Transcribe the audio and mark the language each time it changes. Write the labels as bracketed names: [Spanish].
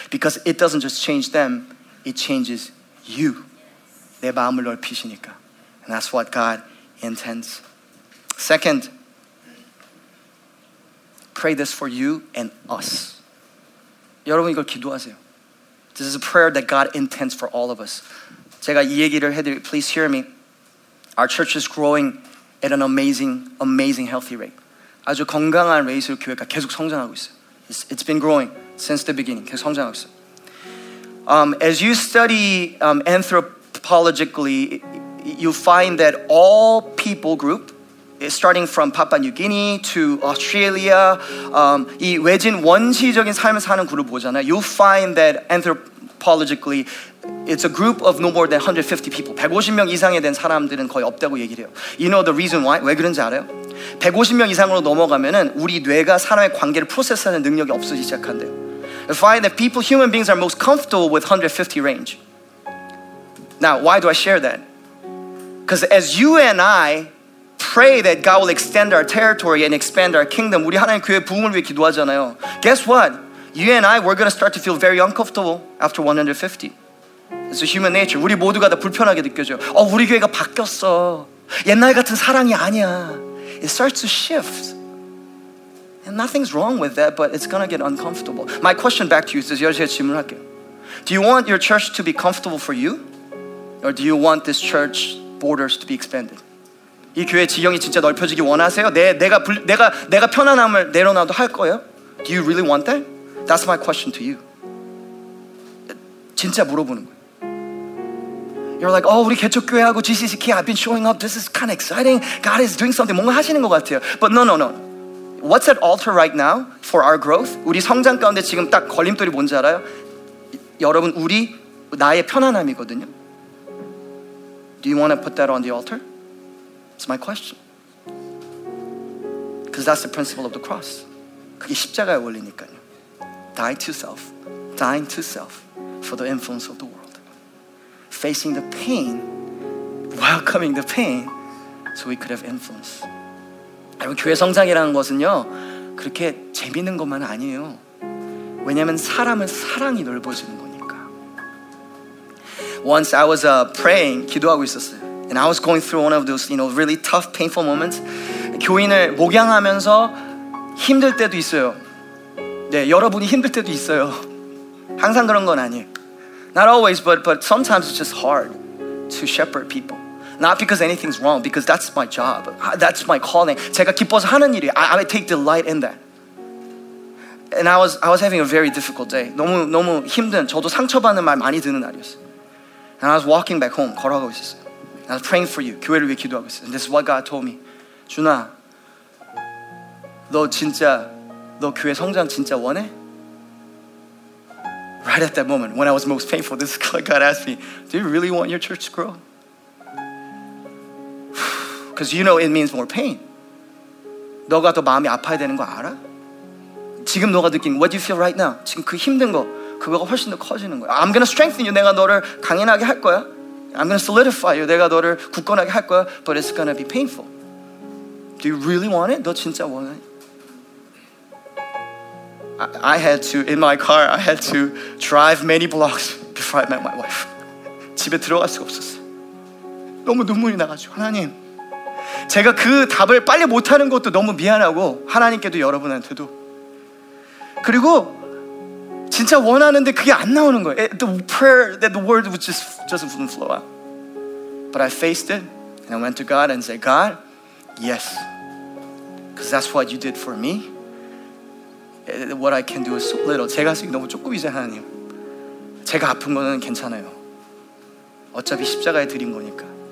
[English] Because it doesn't just change them. It changes you. [Korean] 내 마음을 넓히시니까. [English] And that's what God intends. Second, pray this for you and us. [Korean] 여러분 이걸 기도하세요. [English] This is a prayer that God intends for all of us. [Korean] 제가 이 얘기를 해드릴게요. [English] Please hear me. Our church is growing at an amazing, amazing healthy rate. [Korean] 아주 건강한 레이스로 교회가 계속 성장하고 있어요. [English] It's been growing since the beginning. [Korean] 계속 성장하고 있어요. [English] As you study anthropologically, you find that all people group, starting from Papua New Guinea to Australia, [Korean] 이 외진 원시적인 삶을 사는 그룹 보잖아요. [English] You find that anthropologically, it's a group of no more than 150 people. [Korean] 150명 이상에 된 사람들은 거의 없다고 얘기를 해요. [English] You know the reason why? [Korean] 왜 그런지 알아요? 150명 이상으로 넘어가면은 우리 뇌가 사람의 관계를 프로세스하는 능력이 없어지기 시작한대요. [English] You find that people, human beings are most comfortable with 150 range. Now, why do I share that? Because as you and I pray that God will extend our territory and expand our kingdom, [Korean] 우리 하나님 교회 부흥을 위해 기도하잖아요. [English] Guess what? You and I, we're going to start to feel very uncomfortable after 150. It's a human nature. [Korean] 우리 모두가 다 불편하게 느껴져요. 우리 교회가 바뀌었어. 옛날 같은 사랑이 아니야. [English] It starts to shift. And nothing's wrong with that, but it's going to get uncomfortable. My question back to you is, [Korean] 제가 질문을 할게요. [English] Do you want your church to be comfortable for you? Or do you want this church borders to be expanded? [Korean] 이 교회 지형이 진짜 넓혀지기 원하세요? 내가 편안함을 내려놔도 할 거예요? [English] Do you really want that? That's my question to you. [Korean] 진짜 물어보는 거예요. [English] You're like, oh, [Korean] 우리 개척교회하고 [English] GCCK, I've been showing up. This is kind of exciting. God is doing something. [Korean] 뭔가 하시는 것 같아요. [English] But no, no, no. What's at altar right now for our growth? [Korean] 우리 성장 가운데 지금 딱 걸림돌이 뭔지 알아요? 여러분, 우리 나의 편안함이거든요. [English] Do you want to put that on the altar? That's my question. Because that's the principle of the cross. [Korean] 그게 십자가의 원리니까요. [English] Die to self. Dying to self for the influence of the world. Facing the pain, welcoming the pain, so we could have influence. [Korean] 여러분, 교회 성장이라는 것은요, 그렇게 재밌는 것만 아니에요. 왜냐하면 사람은 사랑이 넓어지는 거니까. [English] Once I was praying, [Korean] 기도하고 있었어요. [English] And I was going through one of those, you know, really tough, painful moments. [Korean] 교인을 목양하면서 힘들 때도 있어요. 네, 여러분이 힘들 때도 있어요. 항상 그런 건 아니에요. [English] Not always, but sometimes it's just hard to shepherd people. Not because anything's wrong, because that's my job. That's my calling. [Korean] 제가 기뻐서 하는 일이에요. [English] I take delight in that. And I was having a very difficult day. [Korean] 너무, 너무 힘든, 저도 상처받는 말 많이 듣는 날이었어요. [English] And I was walking back home, [Korean] 걸어가고 있었어요. [English] I was praying for you, [Korean] 교회를 위해 기도하고 있었어요. [English] And this is what God told me. [Korean] 준아, 너 진짜, 너 교회 성장 진짜 원해? [English] Right at that moment, when I was most painful, this is what God asked me, do you really want your church to grow? Because you know it means more pain. [Korean] 너가 더 마음이 아파야 되는 거 알아? 지금 너가 느낀, [English] what do you feel right now? [Korean] 지금 그 힘든 거, 그거가 훨씬 더 커지는 거야. [English] I'm going to strengthen you. [Korean] 내가 너를 강인하게 할 거야. [English] I'm going to solidify you. [Korean] 내가 너를 굳건하게 할 거야. [English] But it's going to be painful. Do you really want it? [Korean] 너 진짜 원해? [English] I had to, in my car, I had to drive many blocks before I met my wife. [Korean] 집에 들어갈 수가 없었어요. 너무 눈물이 나가지고, 하나님. 제가 그 답을 빨리 못하는 것도 너무 미안하고, 하나님께도 여러분한테도. 그리고 진짜 원하는데 그게 안 나오는 거예요. [English] The prayer, that the word was just wouldn't flow out. But I faced it, and I went to God and said, God, yes. Because that's what you did for me. What I can do is so little. [Korean] 제가 지금 너무 조금이자 하나님. 제가 아픈 거는 괜찮아요. 어차피 십자가에 드린 거니까.